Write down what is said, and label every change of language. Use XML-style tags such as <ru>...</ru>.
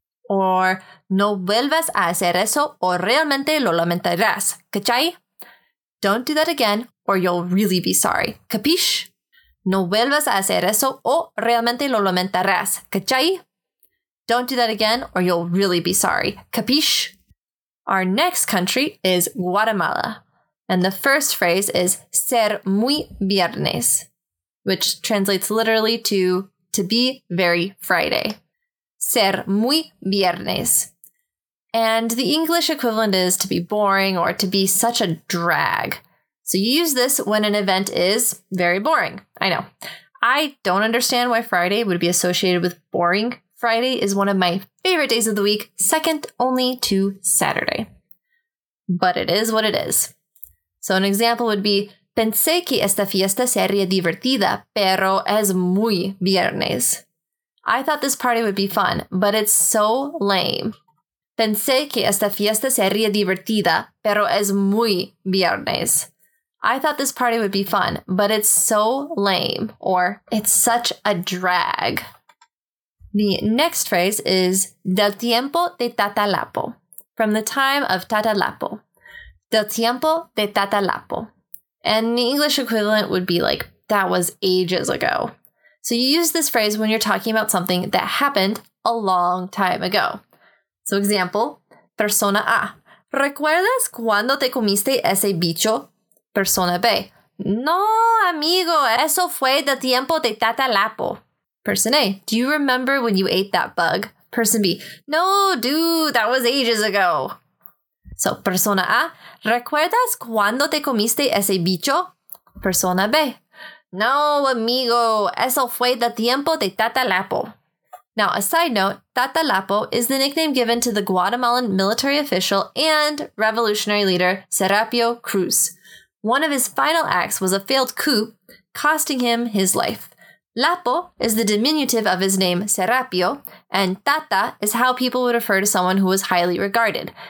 <es>Or, no vuelvas a hacer eso o realmente lo lamentarás. ¿Cachai?</es> <en>Don't do that again or you'll really be sorry. ¿Capish?</en> <es>No vuelvas a hacer eso o realmente lo lamentarás. ¿Cachai?</es> <en>Don't do that again or you'll really be sorry. ¿Capish? Our next country is Guatemala. And the first phrase is ser muy viernes, which translates literally to be very Friday. Ser muy viernes. And the English equivalent is to be boring or to be such a drag. So you use this when an event is very boring. I know. I don't understand why Friday would be associated with boring. Friday is one of my favorite days of the week, second only to Saturday. But it is what it is. So an example would be, pensé que esta fiesta sería divertida, pero es muy viernes. I thought this party would be fun, but it's so lame.</en> <es>Pensé que esta fiesta sería divertida, pero es muy viernes.</es> <en>I thought this party would be fun, but it's so lame. Or, it's such a drag. The next phrase is del tiempo de Tata Lapo, from the time of Tata Lapo. Del tiempo de Tata Lapo. And the English equivalent would be like, that was ages ago. So you use this phrase when you're talking about something that happened a long time ago.</en> <es>So example, persona A. ¿Recuerdas cuando te comiste ese bicho? Persona B. No, amigo, eso fue del tiempo de Tata Lapo.</es> <en>Person A. Do you remember when you ate that bug? Person B. No, dude, that was ages ago. So, persona A.</en> <es>¿Recuerdas cuando te comiste ese bicho? Persona B. No, amigo, eso fue del tiempo de Tata Lapo.</es> <en>Now, a side note, Tata Lapo is the nickname given to the Guatemalan military official and revolutionary leader Serapio Cruz. One of his final acts was a failed coup, costing him his life. Lapo is the diminutive of his name Serapio, and Tata is how people would refer to someone who was highly regarded.</en>